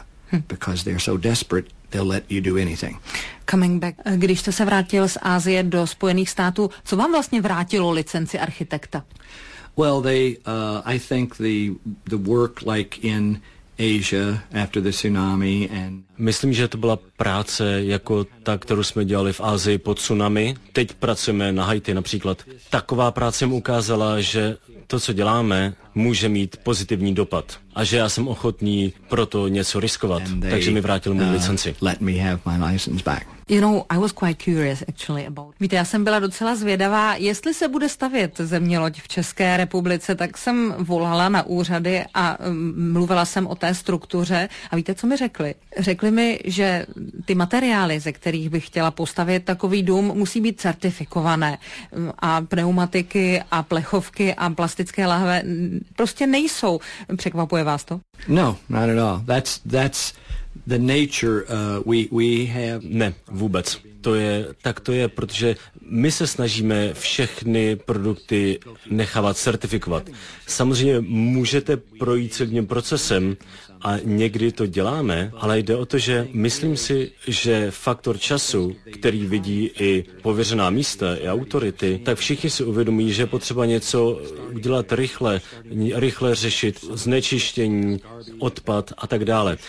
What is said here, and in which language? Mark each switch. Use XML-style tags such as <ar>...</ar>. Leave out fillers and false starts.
<en>because they're so desperate, they'll let you do anything. Coming back.</en> <cs>Když jste se vrátil z Asie do Spojených států, co vám vlastně vrátilo licenci architekta?</cs> <en>Well, I think the work like in Asia after the tsunami and</en> <cs>myslím, že to byla práce jako ta, kterou jsme dělali v Asii pod tsunami. Teď pracujeme na Haiti například. Taková práce mi ukázala, že to, co děláme, může mít pozitivní dopad a že já jsem ochotný proto něco riskovat. Takže mi vrátil můj licenci.</cs> <en>Let me have my license back. You know, I was quite curious actually about.</en> <cs>Víte, já jsem byla docela zvědavá, jestli se bude stavět zeměloď v České republice, tak jsem volala na úřady a mluvila jsem o té struktuře a víte, co mi řekli? Řekli mi, že ty materiály, ze kterých bych chtěla postavit takový dům, musí být certifikované a pneumatiky a plechovky a plastické lahve prostě nejsou. Překvapuje vás to?</cs> <en>No, not at all. That's the nature we have.</en> <cs>Ne, vůbec. To je, protože my se snažíme všechny produkty nechávat certifikovat. Samozřejmě můžete projít celým procesem a někdy to děláme, ale jde o to, že myslím si, že faktor času, který vidí i pověřená místa i autority, tak všichni si uvědomí, že je potřeba něco udělat rychle, rychle řešit znečištění, odpad a tak dále.</cs>